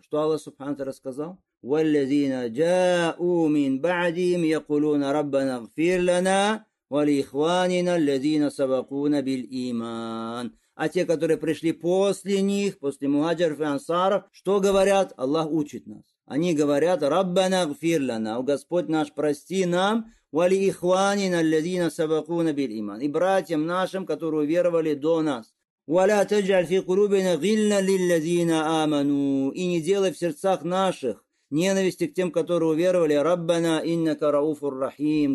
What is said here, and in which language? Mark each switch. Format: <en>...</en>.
<ru>Что Аллах Субхану ва Тааля сказал?</ru> <ar>وَالَّذِينَ جَاءُوا مِنْ بَعْدِهِمْ يَقُولُونَ رَبَّنَا اغْفِرْ لَنَا وَلِإِخْوَانِنَا الَّذِينَ سَبَقُونَا بِالْإِيمَانِ.</ar> <ru>А те, которые пришли после них, после мухаджиров и ансаров, что говорят? Аллах учит нас. Они говорят</ru> <ar>رَبَّنَا اغْفِرْ لَنَا.</ar> <ru>О Господь наш, прости нам.</ru> <ar>وَلِإِخْوَانِنَا الَّذِينَ سَبَقُونَا بِالْإِيمَانِ.</ar> <ru>И братьям нашим, которые веровали до нас.</ru> <ar>وَلَا تَجْعَلْ فِي قُلُوبِنَا غِلًّا لِلَّذِينَ آمَنُوا.</ar> <ru>И не делай в сердцах наших ненависти к тем, которые уверовали.</ru> <ar>رَبَّنَا إِنَّكَ رَؤُوفُ الرَّحِيمُ.</ar>